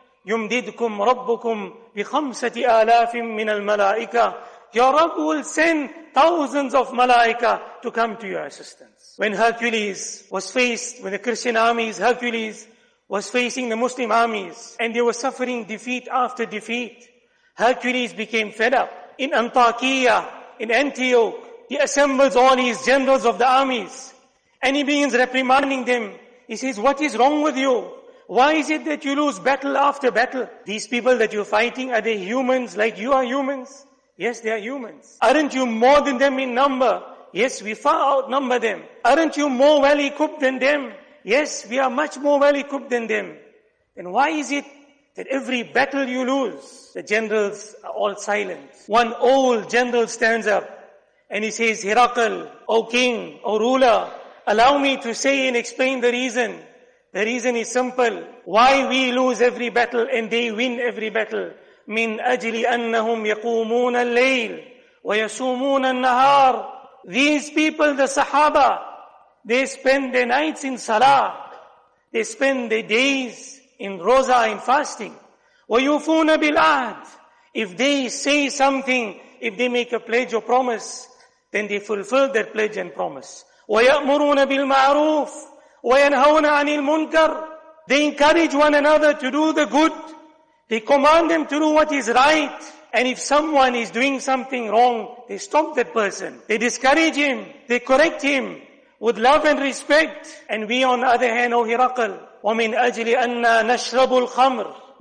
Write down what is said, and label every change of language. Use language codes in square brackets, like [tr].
[ar] يمددكم ربكم بخمسة آلاف من الملائكة. [en] Your Rabb will send thousands of malaika to come to your assistance. When Hercules was faced with the Christian armies, Hercules was facing the Muslim armies, and they were suffering defeat after defeat. Hercules became fed up. In Antakya, in Antioch, he assembles all his generals of the armies, and he begins reprimanding them. He says, "What is wrong with you? Why is it that you lose battle after battle? These people that you're fighting, are they humans like you are humans?" Yes, they are humans. Aren't you more than them in number? Yes, we far outnumber them. Aren't you more well equipped than them? Yes, we are much more well equipped than them. And why is it that every battle you lose, the generals are all silent? One old general stands up and he says, "Herakl, O king, O ruler, allow me to say and explain the reason. The reason is simple. Why we lose every battle and they win every battle. [ar] من أجل أنهم يقومون الليل ويصومون النهار." [en] These people, the Sahaba, they spend their nights in Salah. They spend their days in Roza, in fasting. [ar] ويوفون بالعهد. [en] If they say something, if they make a pledge or promise, then they fulfill that pledge and promise. [ar] ويأمرون بالمعروف وينهون عن المنكر. [en] They encourage one another to do the good. They command them to do what is right. And if someone is doing something wrong, they stop that person. They discourage him. They correct him with love and respect. And we on the other hand, O Hiraqal, [ar] وَمِنْ أَجْلِ أَنَّا نَشْرَبُ الْخَمْرِ.